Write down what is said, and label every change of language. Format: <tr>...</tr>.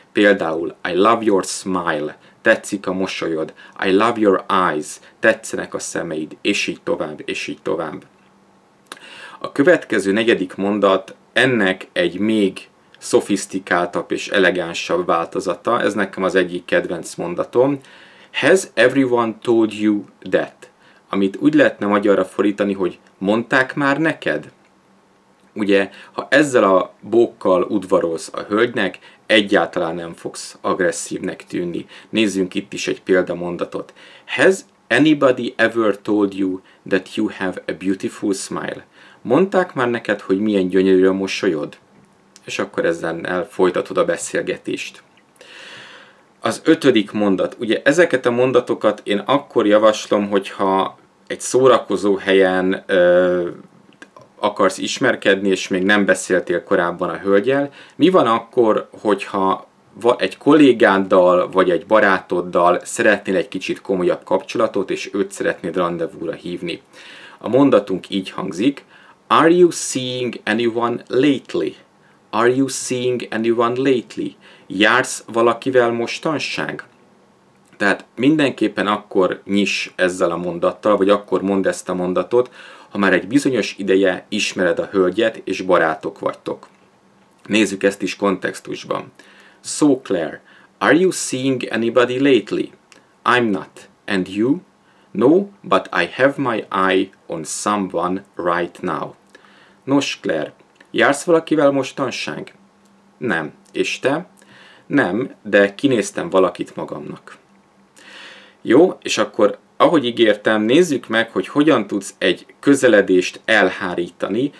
<hu>Például</hu> <en>I love your smile,</en> <hu>tetszik a mosolyod,</hu> <en>I love your eyes,</en> <hu>tetszenek a szemeid, és így tovább, és így tovább. A következő negyedik mondat ennek egy még szofisztikáltabb és elegánsabb változata, ez nekem az egyik kedvenc mondatom.</hu> <en>Has everyone told you that?</en> <hu>Amit úgy lehetne magyarra fordítani, hogy mondták már neked? Ugye, ha ezzel a bókkal udvarolsz a hölgynek, egyáltalán nem fogsz agresszívnek tűnni. Nézzünk itt is egy példamondatot.</hu> <en>Has anybody ever told you that you have a beautiful smile?</en> <hu>Mondták már neked, hogy milyen gyönyörű a mosolyod? És akkor ezzel elfolytatod a beszélgetést. Az ötödik mondat. Ugye ezeket a mondatokat én akkor javaslom, hogyha egy szórakozó helyen akarsz ismerkedni, és még nem beszéltél korábban a hölgyel. Mi van akkor, hogyha egy kollégáddal, vagy egy barátoddal szeretnél egy kicsit komolyabb kapcsolatot, és őt szeretnéd randevúra hívni? A mondatunk így hangzik.</hu> <en>Are you seeing anyone lately? Are you seeing anyone lately?</en> <hu>Jársz valakivel mostanság? Tehát mindenképpen akkor nyiss ezzel a mondattal, vagy akkor mondd ezt a mondatot, ha már egy bizonyos ideje ismered a hölgyet, és barátok vagytok. Nézzük ezt is kontextusban.</hu> <en>So Claire, are you seeing anybody lately? I'm not. And you? No, but I have my eye on someone right now.</en> <hu>Nos, Claire, jársz valakivel mostanság? Nem. És te? Nem, de kinéztem valakit magamnak. Jó, és akkor, ahogy ígértem, nézzük meg, hogy hogyan tudsz egy közeledést elhárítani.</hu>